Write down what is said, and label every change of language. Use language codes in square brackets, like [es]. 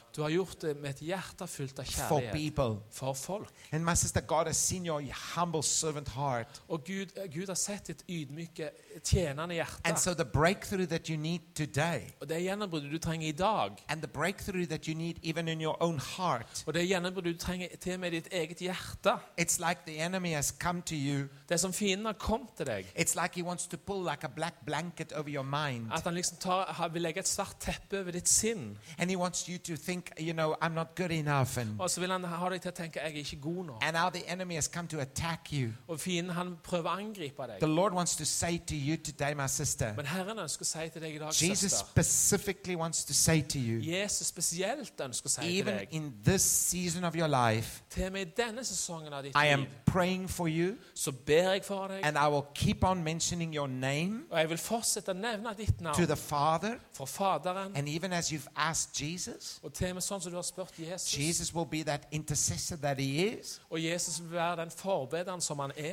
[no] Du har gjort det med et hjerte fullt av kjærlighet. [en] For people. [no] For folk. [en] And my sister, God has seen your humble servant heart. [no] Og Gud har sett ditt ydmyke tjenende hjerte. [en] And so the breakthrough that you need today. [no] Og det gjennombruddet du trenger I dag. [en] And the breakthrough that you need even in your own heart. [no] Og det gjennombruddet du trenger til med ditt eget hjerte. [en] It's like the enemy has come to you. [no] Det som fienden har kommet til deg. [en] It's like he wants to pull like a black blanket over your mind. [no] At han liksom tar, vil legge et svart teppe over ditt sinn. [en] And he wants you to think, you know, I'm not good enough. And, [no] og så vil han ha deg til å tenke, jeg ikke god nok. [en] And now the enemy has come to attack you. [no] Og fienden han prøver å angripe deg. [en] The Lord wants to say to you today, my sister. [no] Men Herren ønsker å si til deg I dag, søster. [en] Jesus specifically wants to say to you. [no] Jesus spesielt ønsker å si til deg. [en] Even in this season of your life. [no] Til meg I denne sesongen av ditt [en] liv. I am praying for you. [no] Så ber [en] And I will keep on mentioning your name [no] og jeg vil fortsette å nevne ditt navn [en] to the Father [no] for Faderen, [en] and even as you've asked Jesus, [no] og til meg sånn som du har spurt Jesus [en] Jesus will be that intercessor that he is [no] og Jesus vil være den forbederen som han